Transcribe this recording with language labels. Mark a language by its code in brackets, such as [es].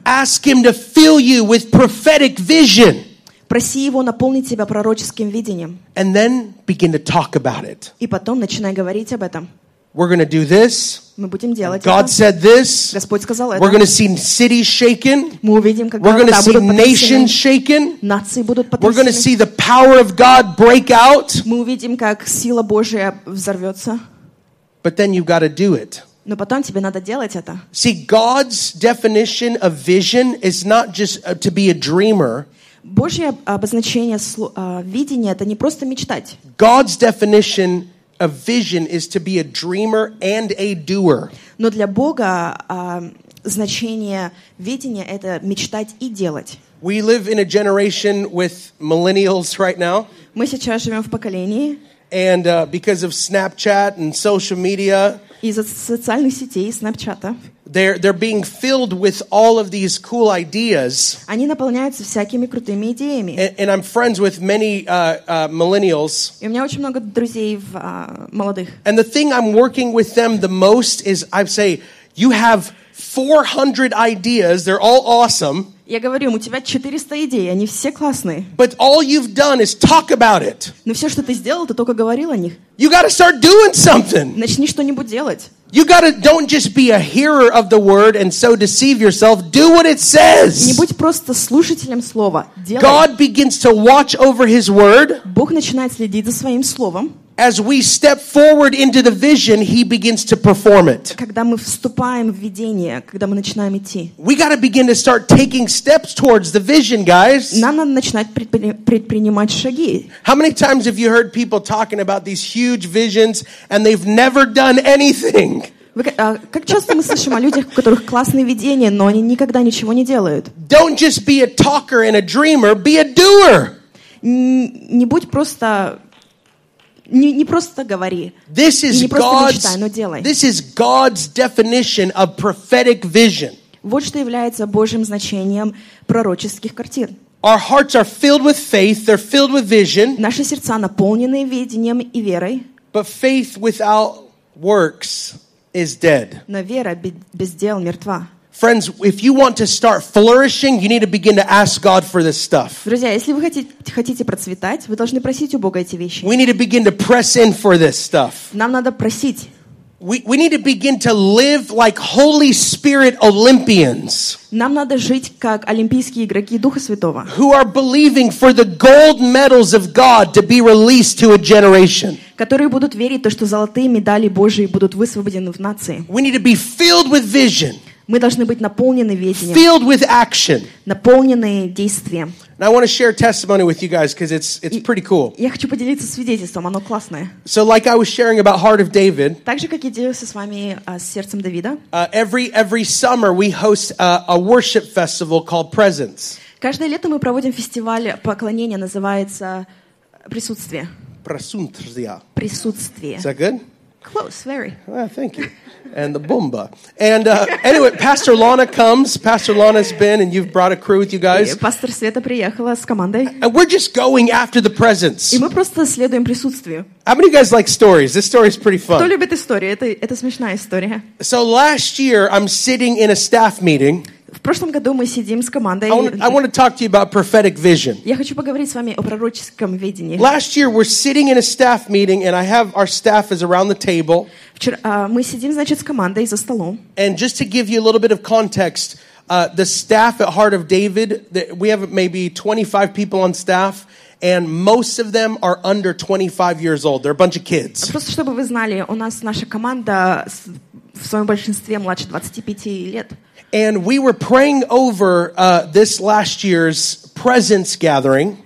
[en] Ask him to fill you with prophetic vision. [ru] Проси его наполнить тебя пророческим видением. [en] And then begin to talk about it. [ru] И потом начинай говорить об этом. [en] We're going to do this. [ru] Мы будем делать это. [en] God said this. [ru] Господь сказал это. [en] We're going to see cities shaken. [ru] Мы увидим, как [en] We're going to see nations shaken. [ru] Нации будут потрясены. [en] We're going to see the power of God break out. [ru] Мы увидим, как сила Божия взорвется. [en] But then you've got to do it. [ru] Но потом тебе надо делать это. [en] See, God's definition of vision is not just to be a dreamer. [ru] Божье обозначение видения — это не просто мечтать. [en] God's definition of vision is to be a dreamer and a doer. [ru] Но для Бога значение видения — это мечтать и делать. [en] We live in a generation with millennials right now. [ru] Мы сейчас живем в поколении. [en] And because of Snapchat and social media, [ru] из-за социальных сетей, Снапчата. [en] They're being filled with all of these cool ideas. [ru] Они наполняются всякими крутыми идеями. [en] And I'm friends with many millennials. [ru] И у меня очень много друзей в молодых. [en] And the thing I'm working with them the most is I say, you have 400 ideas. They're all awesome. [ru] Я говорю, у тебя 400 идей, они все классные. [en] But all you've done is talk about it. [ru] Но все, что ты сделал, ты только говорил о них. [en] You gotta start doing something. [ru] Начни что-нибудь делать. [en] You gotta don't just be a hearer of the word and so deceive yourself. Do what it says. [ru] Не будь просто слушателем слова. Делай. [en] God begins to watch over His word. [ru] Бог начинает следить за своим словом. [en] As we step forward into the vision, He begins to perform it. [ru] Когда мы вступаем в видение, когда мы начинаем идти. [en] We got to begin to start taking steps towards the vision, guys. [ru] Нам надо начинать предпринимать шаги. [en] How many times have you heard people talking about these huge visions and they've never done anything? [ru] Как часто мы слышим о людях, у которых классные видения, но они никогда ничего не делают? [en] Don't just be a talker and a dreamer, be a doer. [ru] Не будь просто Не просто говори, [en] this is [ru] не просто мечтай, но делай. [en] This is God's definition of prophetic vision. [ru] Вот что является Божьим значением пророческих картин. [en] Our hearts are filled with faith, they're filled with vision. [ru] Наши сердца наполнены видением и верой. [en] But faith without works is dead. [ru] Но вера без дел мертва. [en] Friends, if you want to start flourishing, you need to begin to ask God for this stuff. [ru] Друзья, если вы хотите процветать, вы должны просить у Бога эти вещи. [en] We need to begin to press in for this stuff. [ru] Нам надо просить. [en] We need to begin to live like Holy Spirit Olympians. [ru] Нам надо жить как олимпийские игроки Духа Святого. [en] Who are believing for the gold medals of God to be released to a generation. [ru] Которые будут верить то, что золотые медали Божьи будут высвобождены в нации. [en] We need to be filled with vision. [ru] Мы должны быть наполнены видением. [en] Filled with action. [ru] Наполнены действием. [en] Now I want to share a testimony with you guys because it's pretty cool. [ru] Я хочу поделиться свидетельством, оно классное. [en] So like I was sharing about Heart of David. [ru] Так же, как я делился с вами с сердцем Давида. [en] Every summer we host a worship festival called Presence. [ru] Каждое лето мы проводим фестиваль поклонения, называется Присутствие. Presuntria. Присутствие. [en] Is that good? Close, very. Well, thank you. And the boomba. And anyway, Pastor Lana comes. Pastor Lana's been, and you've brought a crew with you guys. [ru] Пастор Света приехала с командой. [en] And we're just going after the presence. [ru] И мы просто следуем присутствию. [en] How many of you guys like stories? This story is pretty fun. [ru] Кто любит истории? Это смешная история. [en] So last year, I'm sitting in a staff meeting. [ru] В прошлом году мы сидим с командой. [en] I want to talk to you about prophetic vision. [ru] Я хочу поговорить с вами о пророческом видении. [en] Last year we're sitting in a staff meeting and I have our staff is around the table. [ru] Мы сидим, значит, с командой за столом. [en] And just to give you a little bit of context, the staff at Heart of David, we have maybe 25 people on staff. And most of them are under 25 years old. They're a bunch of kids. [ru] Просто чтобы вы знали, у нас наша команда в своем большинстве младше 25 лет. [en] And we were praying over this last year's presence gathering.